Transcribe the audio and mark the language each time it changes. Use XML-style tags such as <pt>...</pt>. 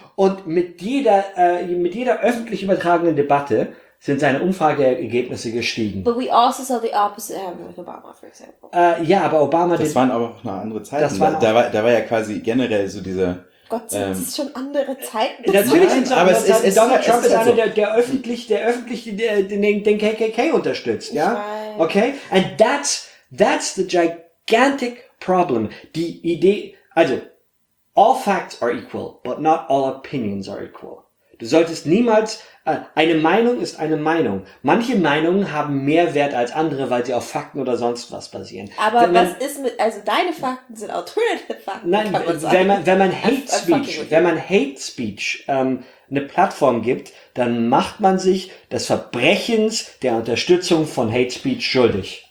<de>Und mit jeder öffentlich übertragenen Debatte sind seine Umfrageergebnisse gestiegen.</de> <en>But we also saw the opposite happen with Obama, for example.</en> <de>Ja, aber Obama... Das waren aber auch noch andere Zeiten. Da war ja quasi generell so dieser... Gott, sind es schon andere Zeiten? Natürlich sind es andere Zeiten. Donald Trump ist halt einer, der öffentlich den KKK unterstützt. Ich ja? weiß. Okay?</de> <en>And that's the gigantic problem.</en> <de>Die Idee, also,</de> <en>all facts are equal,</en> <de>but not all opinions are equal. Du solltest niemals, eine Meinung ist eine Meinung. Manche Meinungen haben mehr Wert als andere, weil sie auf Fakten oder sonst was basieren. Aber deine Fakten sind alternative Fakten. Nein, wenn man Hate Speech, eine Plattform gibt, dann macht man sich des Verbrechens der Unterstützung von Hate Speech schuldig.</de>